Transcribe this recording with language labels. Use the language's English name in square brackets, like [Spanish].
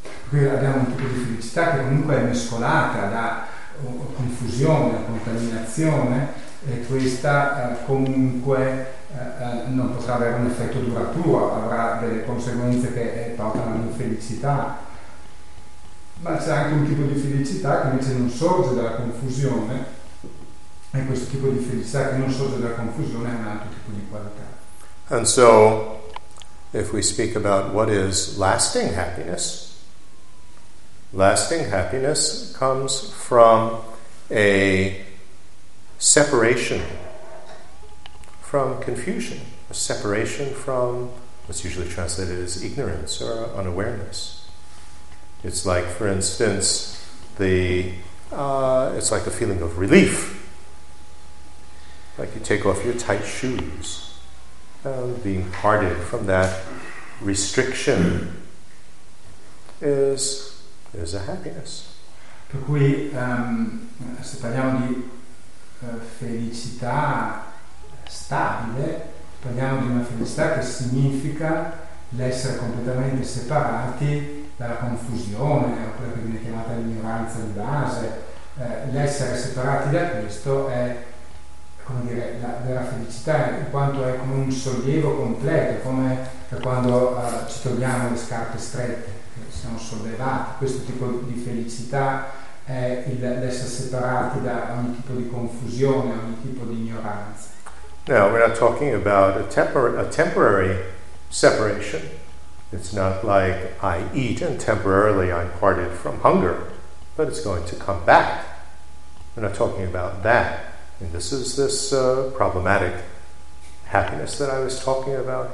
[Italian] Qui abbiamo un tipo di felicità che comunque è mescolata da confusione, contaminazione, e questa comunque non potrà avere un effetto duraturo, avrà delle conseguenze che portano all'infelicità. Ma c'è anche un tipo di felicità che invece non sorge dalla confusione, e questo tipo di felicità che non sorge dalla confusione è un altro tipo di qualità. [English] And so, if we speak about what is lasting happiness comes from a separation from confusion, a separation from what's usually translated as ignorance or unawareness. It's like, for instance, it's like a feeling of relief. Like you take off your tight shoes, being parted from that restriction is a happiness. [Italian] Per cui, se parliamo di felicità stabile, parliamo di una felicità che significa l'essere completamente separati dalla confusione, oppure che viene chiamata l'ignoranza di base. L'essere separati da questo è, come dire, la vera felicità, in quanto è come un sollievo completo, come quando ci togliamo le scarpe strette, che siamo sollevati. Questo tipo di felicità è l'essere separati da ogni tipo di confusione, ogni tipo di ignoranza. [English] Now, we're not talking about a temporary separation. It's not like I eat and temporarily I'm parted from hunger, but it's going to come back. We're not talking about that. And this is this problematic happiness that I was talking about.